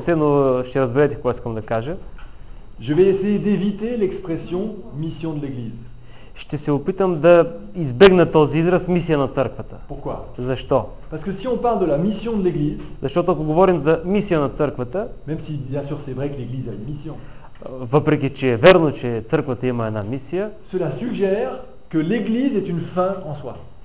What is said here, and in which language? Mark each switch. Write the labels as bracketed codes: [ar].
[bg] се, но ще разберете какво искам да кажа. [fr] Je vais essayer d'éviter l'expression mission de l'église. [bg] Ще се опитам да избегна този израз мисия на църквата. [fr] Pourquoi? [bg] Защо? [fr] Parce que si on parle de la mission de l'église, [bg] защото ако говорим за мисия на църквата, [fr] même si bien sûr c'est vrai que l'église a une mission. [bg] Въпреки че е верно, че църквата има една мисия, [fr] cela suggère que l'église est une fin en soi.